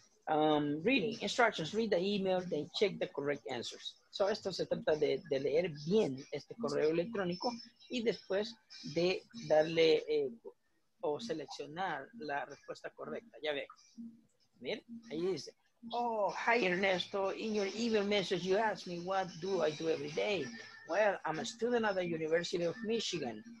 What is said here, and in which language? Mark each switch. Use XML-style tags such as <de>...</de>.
<en>Reading, instructions, read the email, then check the correct answers. So</en> <es>esto se trata de leer bien este correo electrónico y después de darle o seleccionar la respuesta correcta. Ya ve, miren, ahí dice.</es> <en>Oh, hi Ernesto, in your email message you asked me what do I do every day. Well, I'm a student at the University of Michigan.</en>